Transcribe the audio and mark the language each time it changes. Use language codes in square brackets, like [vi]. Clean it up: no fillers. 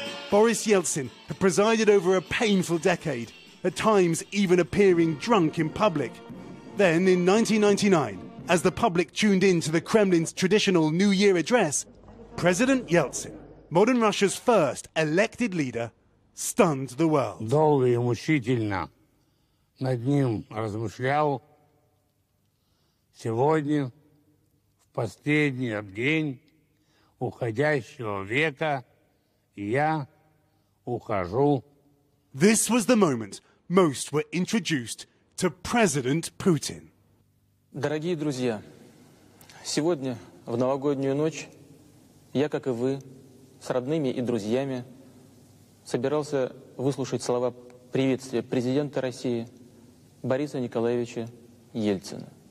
[en] Boris Yeltsin had presided over a painful decade, at times even appearing drunk in public. Then, in 1999, as the public tuned in to the Kremlin's traditional New Year address, President Yeltsin, modern Russia's first elected leader, stunned the world. [ru] Долго и мучительно над ним размышлял. Сегодня, в последний день уходящего века, я ухожу. [en] This was the moment most were introduced to President Putin. [ru] Дорогие друзья, сегодня, в новогоднюю ночь, я, как и вы, с родными и друзьями, собирался выслушать слова приветствия президента России Бориса Николаевича Ельцина.